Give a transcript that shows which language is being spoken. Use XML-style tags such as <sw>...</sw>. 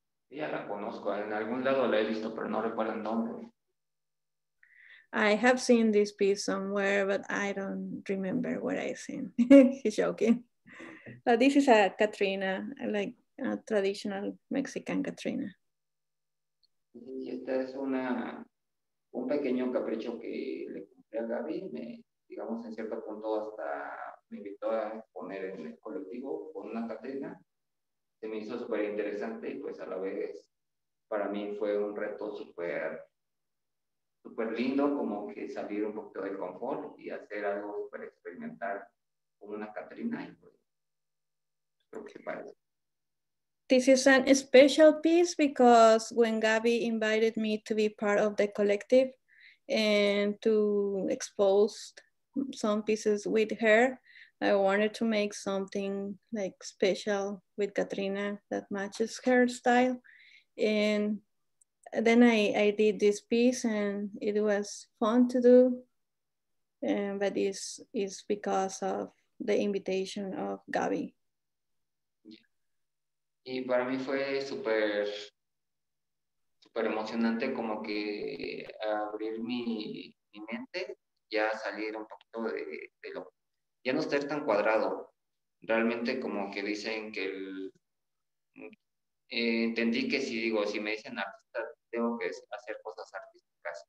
<es>Ya la conozco, en algún lado la he visto, pero no recuerdo el nombre.</es> <en>I have seen this piece somewhere, but I don't remember what I seen. He's joking. But this is a Katrina, like a traditional Mexican Katrina.</en> <es>Y esta es un pequeño capricho que le cumplí a Gaby, digamos en cierto punto hasta me invitó a poner en el colectivo con una Katrina. Se me hizo súper interesante y pues a la vez para mí fue un reto súper súper lindo, como que salir un poquito del confort y hacer algo súper experimental con una Katrina y pues creo que parece.</es> <en>This is a special piece because when Gaby invited me to be part of the collective and to expose some pieces with her, I wanted to make something like special with Katrina that matches her style. And then I did this piece and it was fun to do. But this is because of the invitation of Gaby. Yeah.</en> <es>Y para mí fue super, super emocionante como que abrir mi mente, ya salir un poquito de lo. Ya no estar tan cuadrado. Realmente como que dicen que entendí que si digo, si me dicen artista, tengo que hacer cosas artísticas.</es>